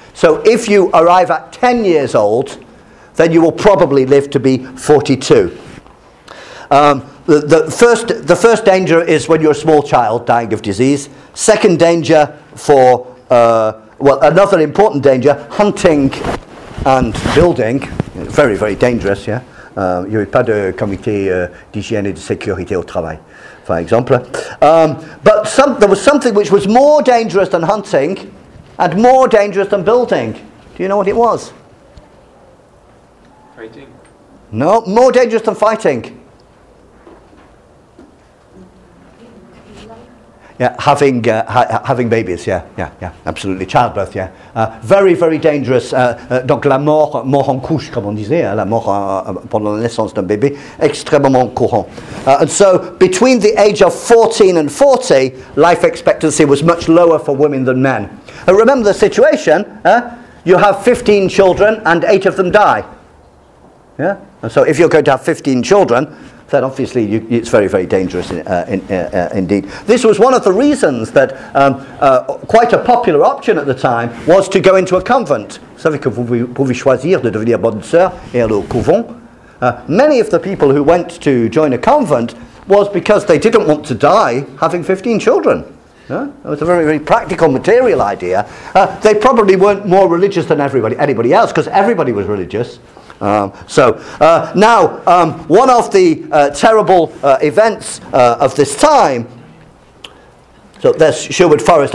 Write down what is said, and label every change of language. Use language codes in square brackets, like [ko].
[en] So if you arrive at 10 years old, then you will probably live to be 42. The first danger is when you're a small child dying of disease. Second danger another important danger, hunting and building. Very, very dangerous, yeah? [fr] Il n'y avait pas de comité d'hygiène et de sécurité au travail, [en] for example. There was something which was more dangerous than hunting and more dangerous than building. Do you know what it was? Fighting. No, more dangerous than fighting. Yeah, having babies, yeah, absolutely. Childbirth, yeah. Very, very dangerous. [fr] Donc la mort en couche, comme on disait, la mort pendant la naissance d'un bébé, extrêmement courant. [en] And so, between the age of 14 and 40, life expectancy was much lower for women than men. Remember the situation, you have 15 children and 8 of them die. Yeah? And so if you're going to have 15 children, then obviously it's very, very dangerous indeed. This was one of the reasons that quite a popular option at the time was to go into a convent. [fr] Vous savez que vous pouvez choisir de devenir bonne sœur et aller au couvent. [en] Many of the people who went to join a convent was because they didn't want to die having 15 children. It was a very, very practical, material idea. They probably weren't more religious than anybody else, because everybody was religious. One of the terrible events of this time, so there's Sherwood Forest.